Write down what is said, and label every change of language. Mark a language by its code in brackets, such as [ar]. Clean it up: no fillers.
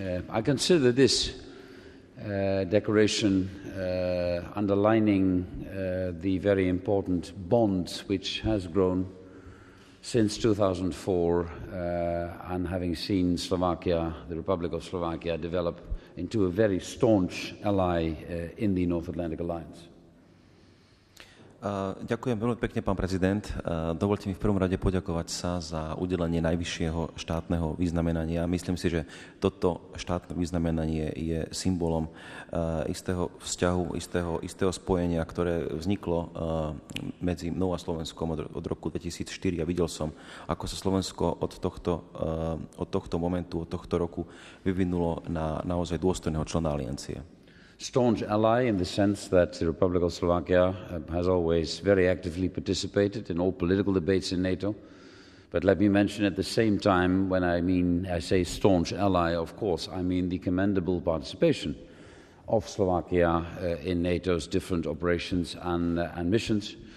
[en] I consider this decoration underlining the very important bond which has grown since 2004 and having seen Slovakia, the Republic of Slovakia, develop into a very staunch ally in the North Atlantic Alliance. [sk] Ďakujem veľmi pekne, pán prezident. Dovolte mi v prvom rade poďakovať sa za udelenie najvyššieho štátneho vyznamenania. Myslím si, že toto štátne vyznamenanie je symbolom istého vzťahu, istého spojenia, ktoré vzniklo medzi mnou a Slovenskom od roku 2004. A videl som, ako sa Slovensko od tohto momentu, od tohto roku vyvinulo na naozaj dôstojného člena aliancie. [en] Staunch ally in the sense that the Republic of Slovakia has always very actively participated in all political debates in NATO. But let me mention at the same time, when I say staunch ally, of course, I mean the commendable participation of Slovakia in NATO's different operations and missions.